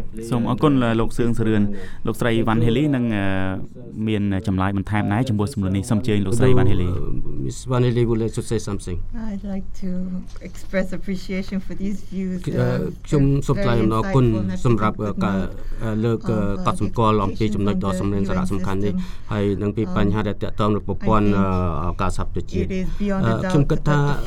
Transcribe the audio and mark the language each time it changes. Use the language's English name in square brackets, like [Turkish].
[Khmer] សូមអរគុណលោកសឿងសរឿនលោកស្រីវ៉ាន់ហេលីនឹងមានចម្លើយបន្ថែមណែចំពោះសំណួរនេះសូមអញ្ជើញលោកស្រីវ៉ាន់ហេលី [English] Miss Van Hele would like to say something. I'd like to express appreciation for these views. [Khmer] ខ្ញុំសូមថ្លែងអំណរគុណសម្រាប់ការលើកកត់សម្គាល់អំពីចំណុចដ៏សំខាន់សារៈសំខាន់នេះហើយនឹងពីបញ្ហាដែលតាក់ទងនឹងប្រព័ន្ធការសហប្រជាជាតិខ្ញុំគិតថា